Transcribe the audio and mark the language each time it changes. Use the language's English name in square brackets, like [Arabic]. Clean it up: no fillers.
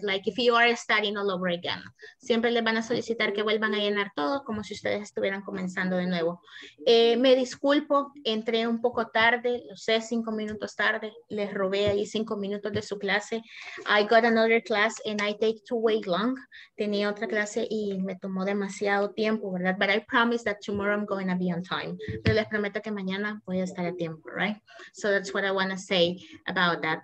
[English] Like if you are starting all over again. [Spanish] Siempre les van a solicitar que vuelvan a llenar todo como si ustedes estuvieran comenzando de nuevo. Me disculpo, entré un poco tarde, lo sé, 5 minutos tarde. Les robé ahí 5 minutos de su clase. [English] I got another class and I take too way long. [Spanish] Tenía otra clase y me tomó demasiado tiempo, ¿verdad? [English] But I promise that tomorrow I'm going to be on time. [Spanish] Pero les prometo que mañana voy a estar a tiempo, right? [English] So that's what I want to say about that.